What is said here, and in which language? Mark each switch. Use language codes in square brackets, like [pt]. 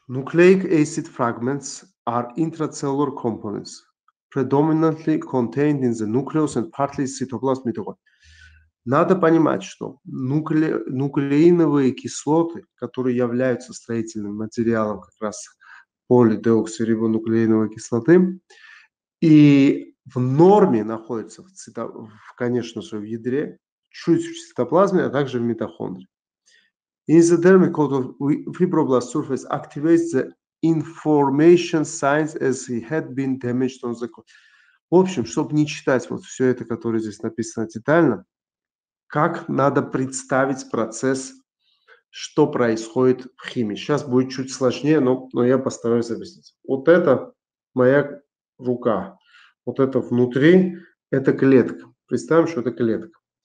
[en] Nucleic acid fragments are intracellular components, predominantly contained in the nucleus and partly cytoplasm mitochondria. [ru] Надо понимать, что нуклеиновые кислоты, которые являются строительным материалом как раз полидеоксирибонуклеиновой кислоты, и в норме находятся в ядре, чуть в цитоплазме, а также в митохондрии. [en] Endodermic coat of fibroblast surface activates the information signs as it had been damaged on the coat. [ru] В общем, чтобы не читать вот все это, которое здесь написано детально, как надо представить процесс, что происходит в химии. Сейчас будет чуть сложнее, но я постараюсь объяснить. Вот это моя рука. Вот это внутри, это клетка. Представим, что это клетка.